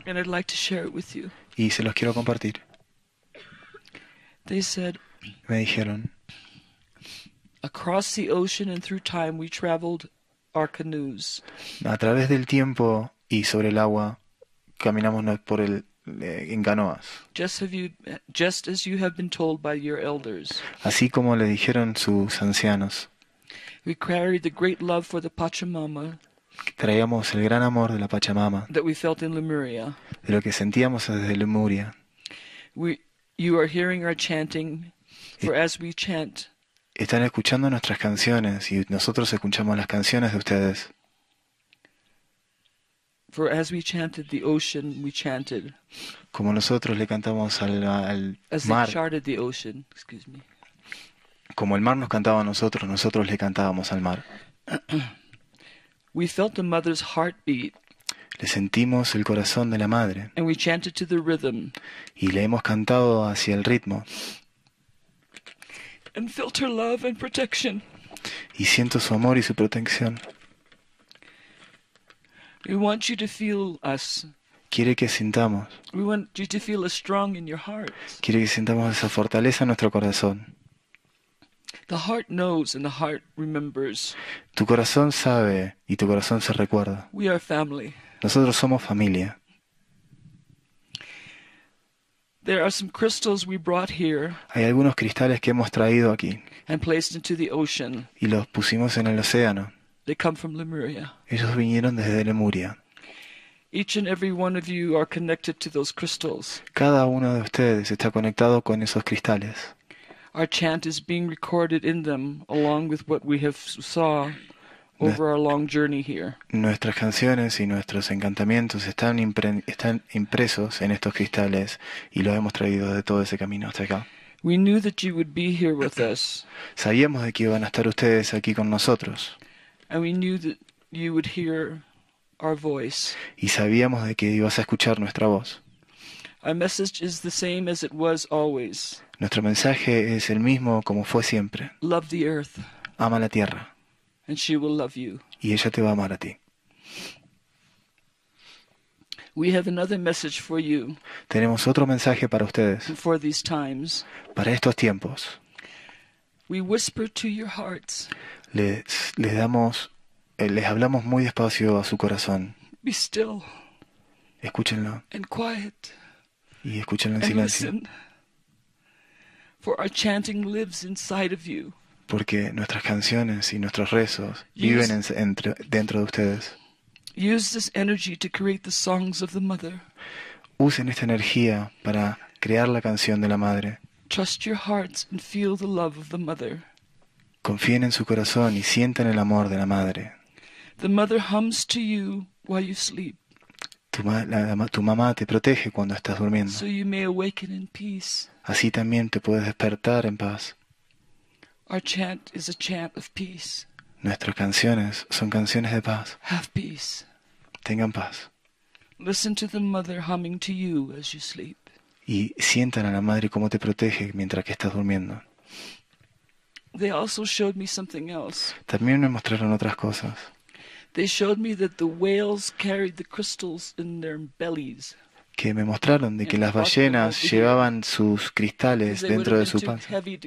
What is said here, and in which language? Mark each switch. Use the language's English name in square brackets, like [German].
[English] And I'd like to share it with you. [Spanish] Y se los quiero compartir. [English] They said. [Spanish] Me dijeron. [English] Across the ocean and through time, we traveled our canoes. [Spanish] A través del tiempo y sobre el agua, caminamos por el en canoas. [English] Just as you have been told by your elders. [Spanish] Así como le dijeron sus ancianos. [English] We carried the great love for the Pachamama. [Spanish] Traíamos el gran amor de la Pachamama. [English] That we felt in Lemuria. [Spanish] De lo que sentíamos desde Lemuria. [English] You are hearing our chanting, for as we chant. [Spanish] Están escuchando nuestras canciones y nosotros escuchamos las canciones de ustedes. [English] For as we chanted the ocean, we chanted. [Spanish] Como nosotros le cantamos al [English] as [Spanish] mar. [English] As they charted the ocean, excuse me. [Spanish] Como el mar nos cantaba a nosotros, nosotros le cantábamos al mar. [English] We felt the mother's heartbeat. [Spanish] Le sentimos el corazón de la madre. [English] And we chanted to the rhythm. [Spanish] Y le hemos cantado hacia el ritmo. [English] And felt her love and protection. [Spanish] Y siento su amor y su protección. [English] We want you to feel us. [Spanish] Quiere que sintamos. [English] We want you to feel us strong in your heart. [Spanish] Quiere que sintamos esa fortaleza en nuestro corazón. [English] The heart knows and the heart remembers. [Spanish] Tu corazón sabe y tu corazón se recuerda. [English] We are family. [Spanish] Nosotros somos familia. [English] There are some crystals we brought here. [Spanish] Hay algunos cristales que hemos traído aquí. [English] And placed into the ocean. [Spanish] Y los pusimos en el océano. [English] They come from Lemuria. [Spanish] Ellos vinieron desde Lemuria. [English] Each and every one of you are connected to those crystals. [Spanish] Cada uno de ustedes está conectado con esos cristales. [English] Our chant is being recorded in them along with what we have saw over our long journey here. [Spanish] Nuestras canciones y nuestros encantamientos están impresos en estos cristales y los hemos traído de todo ese camino hasta acá. [English] We knew that you would be here with us. [Spanish] Sabíamos de que iban a estar ustedes aquí con nosotros. [English] And we knew that you would hear our voice. [Spanish] Y sabíamos de que ibas a escuchar nuestra voz. [English] Our message is the same as it was always. [Spanish] Nuestro mensaje es el mismo como fue siempre. [English] Love the earth. [Spanish] Ama la tierra. [English] And she will love you. [Spanish] Y ella te va a amar a ti. [English] We have another message for you. [Spanish] Tenemos otro mensaje para ustedes. [English] For these times. [Spanish] Para estos tiempos. [English] We whisper to your hearts. [Spanish] Les hablamos muy despacio a su corazón. [English] Be still. [Spanish] Escúchenlo. [English] And quiet. [Spanish] Y escúchenlo en silencio. [English] Listen. For our chanting lives inside of you. [Spanish] Porque nuestras canciones y nuestros rezos viven dentro de ustedes. [English] Use this energy to create the songs of the mother. [Spanish] Usen esta energía para crear la canción de la madre. [English] Trust your hearts and feel the love of the mother. [Spanish] Confíen en su corazón y sientan el amor de la madre. [English] The mother hums to you while you sleep. [Spanish] Tu mamá te protege cuando estás durmiendo. [English] So you may awaken in peace. [Spanish] Así también te puedes despertar en paz. [English] Our chant is a chant of peace. [Spanish] Nuestras canciones son canciones de paz. [English] Have peace. [Spanish] Tengan paz. [English] Listen to the mother humming to you as you sleep. [Spanish] Y sientan a la madre cómo te protege mientras que estás durmiendo. [English] They also showed me something else. [Spanish] También me mostraron otras cosas. [English] They showed me that the whales carried the crystals in their bellies. [Spanish] Que me mostraron de que las ballenas llevaban sus cristales dentro de su panza.